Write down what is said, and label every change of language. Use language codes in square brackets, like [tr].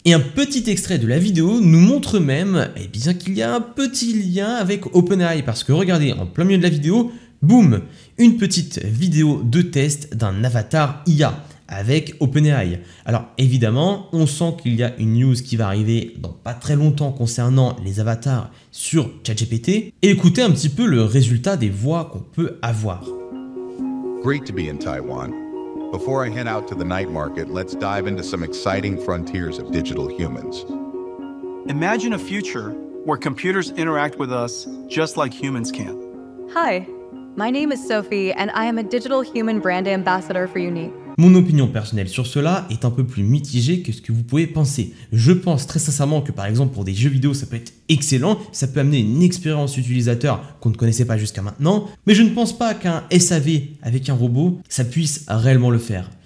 [fr] Et un petit extrait de la vidéo nous montre même qu'il y a un petit lien avec OpenAI, parce que regardez, en plein milieu de la vidéo, boum, une petite vidéo de test d'un avatar IA avec OpenAI. Alors évidemment, on sent qu'il y a une news qui va arriver dans pas très longtemps concernant les avatars sur ChatGPT. Et écoutez un petit peu le résultat des voix qu'on peut avoir. [en] Great to be in Taiwan. Before I head out to the night market, let's dive into some exciting frontiers of digital humans. Imagine a future where computers interact with us just like humans can. Hi, my name is Sophie and I am a digital human brand ambassador for Unique. [fr] Mon opinion personnelle sur cela est un peu plus mitigée que ce que vous pouvez penser. Je pense très sincèrement que par exemple pour des jeux vidéo ça peut être excellent, ça peut amener une expérience utilisateur qu'on ne connaissait pas jusqu'à maintenant, mais je ne pense pas qu'un SAV avec un robot, ça puisse réellement le faire.